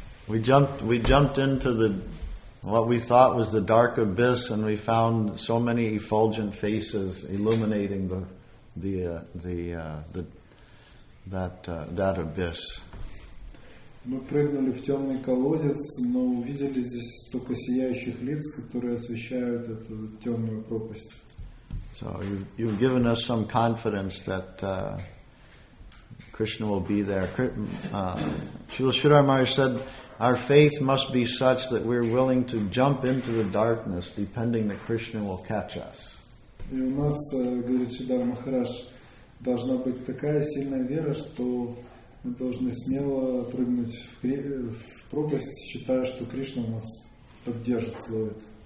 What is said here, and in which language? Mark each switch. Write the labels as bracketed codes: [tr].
[en] We jumped into the what we thought was the dark abyss, and we found so many effulgent faces illuminating that abyss. [ru] Мы прыгнули в темный колодец, но увидели здесь столько сияющих лиц, которые освещают эту темную пропасть. [en] So you've given us some confidence that Krishna will be there. Srila Sridhar Maharaj said, our faith must be such that we're willing to jump into the darkness, depending that Krishna will catch us. [ru] И у нас, говорит Шридхар Махарадж, должна быть такая сильная вера, что мы должны смело прыгнуть в пропасть, считая, что Кришна нас поддержит, словит.